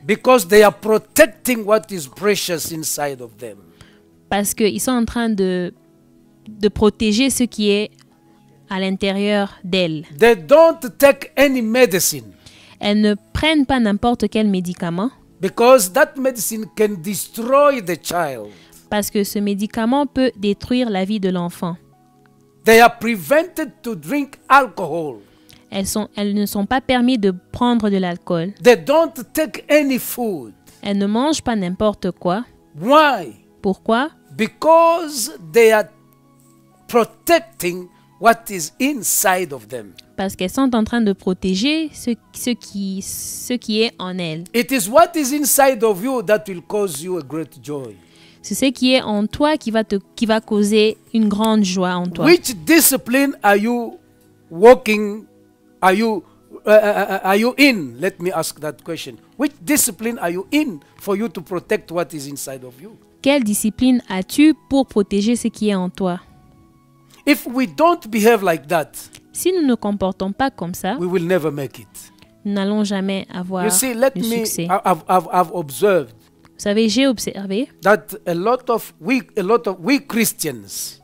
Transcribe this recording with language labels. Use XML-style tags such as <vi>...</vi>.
<en>Because they are protecting what is precious inside of them.</en> <fr>Parce qu'ils sont en train de protéger ce qui est à l'intérieur d'elles.</fr> <en>They don't take any medicine.</en> <fr>Elles ne prennent pas n'importe quel médicament.</fr> <en>Because that medicine can destroy the child.</en> <fr>Parce que ce médicament peut détruire la vie de l'enfant.</fr> <en>They are prevented to drink alcohol.</en> <fr>Elles ne sont pas permises de prendre de l'alcool.</fr> <en>They don't take any food.</en> <fr>Elles ne mangent pas n'importe quoi.</fr> <en>Why?</en> <fr>Pourquoi?</fr> <en>Because they are protecting what is inside of them.</en> <fr>Parce qu'elles sont en train de protéger ce qui est en elles.</fr> <en>It is what is inside of you that will cause you a great joy.</en> <fr>C'est ce qui est en toi qui va causer une grande joie en toi.</fr> <en>Which discipline are you walking? Are you in? Let me ask that question. Which discipline are you in for you to protect what is inside of you?</en> <fr>Quelle discipline as-tu pour protéger ce qui est en toi?</fr> <en>If we don't behave like that,</en> <fr>si nous ne comportons pas comme ça,</fr> <en>we will never make it.</en> <fr>Nous n'allons jamais avoir le succès.</fr> <en>You see, let me. I've observed.</en> <fr>Vous savez, j'ai observé</fr> <en>that a lot of we Christians,</en>